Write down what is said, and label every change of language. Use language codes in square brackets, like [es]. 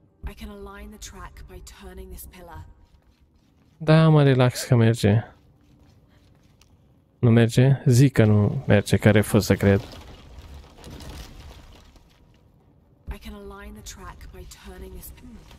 [en] I can align the track by turning this pillar. [ro] Da, mă relax că merge. Nu merge? Zic că nu merge, că refuz să cred. [en] I can align the track by turning this pillar.